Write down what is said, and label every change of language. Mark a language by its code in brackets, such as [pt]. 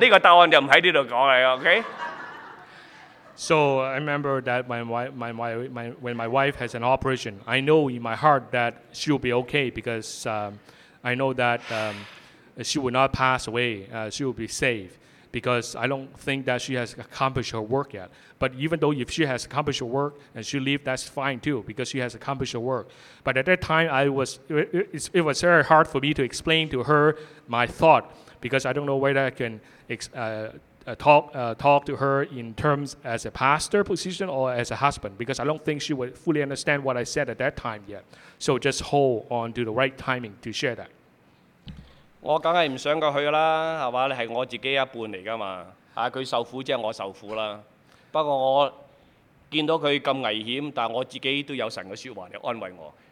[yue] 呢個答案就唔喺呢度講啦 ，OK？ [en] So I remember that when my wife has an operation, I know in my heart that she'll be okay because I know that she will not pass away. She will be safe because I don't think that she has accomplished her work yet. But even though if she has accomplished her work and she leave, that's fine too, because she has accomplished her work. But at that time, it was very hard for me to explain to her my thought, because I don't know whether I can talk to her in terms as a pastor position or as a husband, because I don't think she would fully understand what I said at that time yet. So just hold on to the right timing to share that. [yue] 我當然不想過去啦，係嘛？你係我自己一半嚟噶嘛？啊，佢受苦即係我受苦啦。不過我見到佢咁危險，但我自己都有神嘅説話嚟安慰我。